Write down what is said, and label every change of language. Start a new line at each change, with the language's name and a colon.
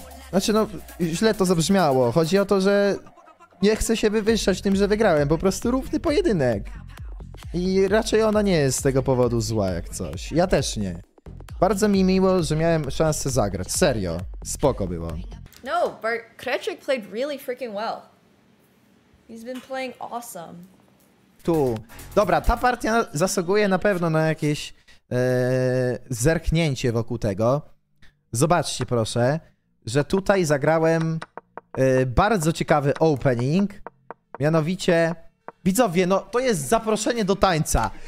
Polish: Znaczy no, źle to zabrzmiało. Chodzi o to, że nie chcę się wywyższać tym, że wygrałem. Po prostu równy pojedynek. I raczej ona nie jest z tego powodu zła jak coś. Ja też nie. Bardzo mi miło, że miałem szansę zagrać. Serio. Spoko było.
English: No, but Krejcik played really freaking well. He's been playing awesome.
Polish: Tu. Dobra, ta partia zasługuje na pewno na jakieś zerknięcie wokół tego. Zobaczcie proszę, że tutaj zagrałem bardzo ciekawy opening. Mianowicie, widzowie, no to jest zaproszenie do tańca.